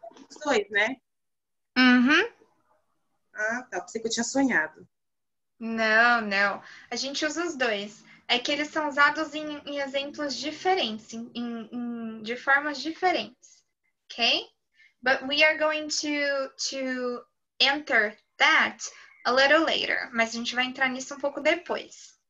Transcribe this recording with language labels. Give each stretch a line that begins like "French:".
Portuguese: Os dois, né? Uhum. Ah, tá. Pensei que eu tinha sonhado. Não, não. A gente usa os dois. É que eles são usados em exemplos diferentes, de formas diferentes. Ok?
English: But we are going to enter that a little later.
Portuguese: Mas a gente vai entrar nisso um pouco depois.